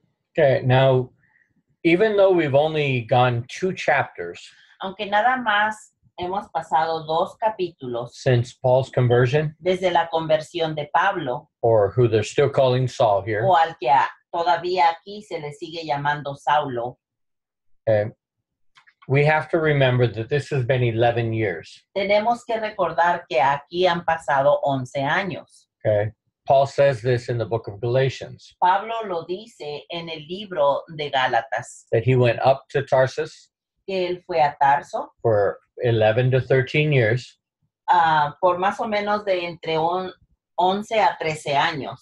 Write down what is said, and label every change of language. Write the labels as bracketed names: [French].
[English] Okay, now, even though we've only gone two chapters, [Spanish] aunque nada más hemos pasado dos capítulos [English] since Paul's conversion, [Spanish] desde la conversión de Pablo, [English] or who they're still calling Saul here, [Spanish] o al que todavía aquí se le sigue llamando Saulo, [English] we have to remember that this has been 11 years. [Spanish] Tenemos que recordar que aquí han pasado 11 años. [English] Okay. Paul says this in the book of Galatians. [Spanish] Pablo lo dice en el libro de Gálatas. [English] That he went up to Tarsus. [Spanish] Él fue a Tarso. [English] For 11 to 13 years. [Spanish] Por más o menos de entre 11 a 13 años.